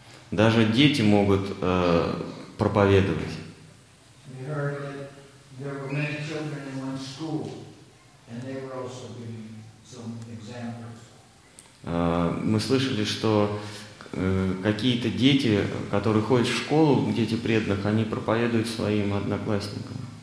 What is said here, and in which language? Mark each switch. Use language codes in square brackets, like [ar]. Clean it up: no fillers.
[ru] даже дети могут проповедовать. [en] heard that there were many children in one school, and they were also giving some examples. [ru] Мы слышали, что какие-то дети, которые ходят в школу, дети преданных, они проповедуют своим одноклассникам.